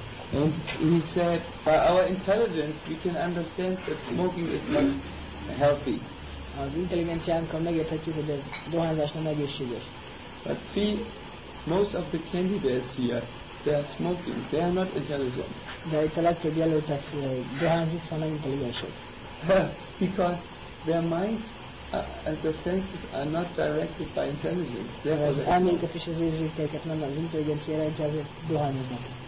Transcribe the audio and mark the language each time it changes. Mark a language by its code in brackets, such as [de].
[en] And he said, by our intelligence we can understand that smoking is not healthy. [hu] Az intelligenciánkkal megérthetjük, hogy a dohányzás nem egészséges. [en] But see, most of the candidates here, they are smoking, they are not intelligent. [hu] De itt a legtöbb jelöltek dohányzik, szóval nem intelligensek. [en] Because their minds and the senses are not directed by intelligence. [hu] Az elméket és az érzékeket nem az intelligencia jelentje, azért dohányoznak.